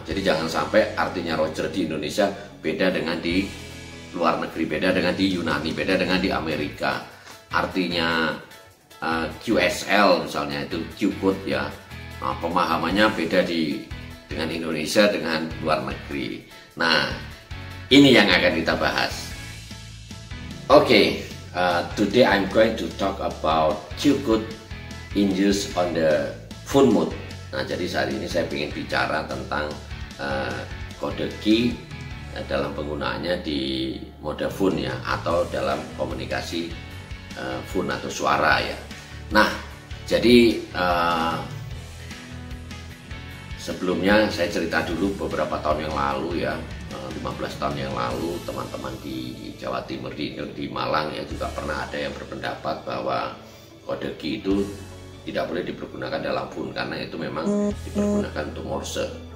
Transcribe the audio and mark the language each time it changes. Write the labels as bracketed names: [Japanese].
[Indonesian] Jadi jangan sampai artinya Roger di Indonesia beda dengan di luar negeri, beda dengan di Yunani, beda dengan di Amerika. Artinya QSL misalnya itu Q-code ya. Nah, pemahamannya beda di dengan Indonesia dengan luar negeri. Nah, ini yang akan kita bahas. [English] Oke, today I'm going to talk about Q-code in use on the phone mode. [Indonesian] Nah, jadi hari ini saya ingin bicara tentang kode key dalam penggunaannya di mode phone ya, atau dalam komunikasi phone atau suara ya. Nah, jadi sebelumnya saya cerita dulu beberapa tahun yang lalu ya, 15 tahun yang lalu teman-teman di Jawa Timur di Malang ya juga pernah ada yang berpendapat bahwa kode key itu tidak boleh dipergunakan dalam phone karena itu memang dipergunakan untuk Morse.